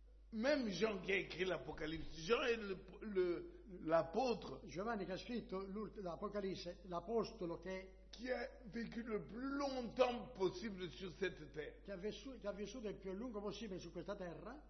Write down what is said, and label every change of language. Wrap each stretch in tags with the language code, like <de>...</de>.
<fr>Même Jean qui a écrit l'Apocalypse, Jean est l'apôtre.</fr> <it>Giovanni che ha scritto l'Apocalypse, l'apostolo che.</it> <fr>Qui a vécu le plus longtemps possible sur cette terre.</fr> <it>Che ha vissuto il più lungo possibile su questa terra.</it>